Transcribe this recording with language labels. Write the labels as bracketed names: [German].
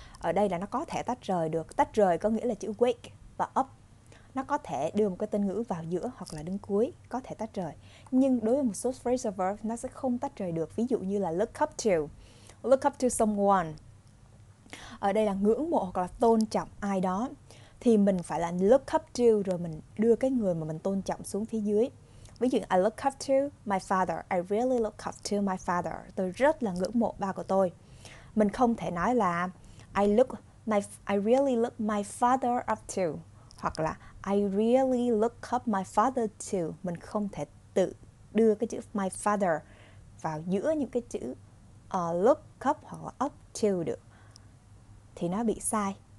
[Vietnamese] Ở đây là nó có thể tách rời được. Tách rời có nghĩa là chữ wake và up, nó có thể đưa một cái tên ngữ vào giữa hoặc là đứng cuối, có thể tách rời. Nhưng đối với một số phrasal verb nó sẽ không tách rời được. Ví dụ như là look up to, look up to someone. Ở đây là ngưỡng mộ hoặc là tôn trọng ai đó. Thì mình phải là look up to, rồi mình đưa cái người mà mình tôn trọng xuống phía dưới. Ví dụ [English] I look up to my father, I really look up to my father. [Vietnamese] Tôi rất là ngưỡng mộ ba của tôi. Mình không thể nói là [English] I really look my father up to, [Vietnamese] hoặc là [English] I really look up my father to. [Vietnamese] Mình không thể tự đưa cái chữ my father vào giữa những cái chữ look up hoặc là up to được, thì nó bị sai.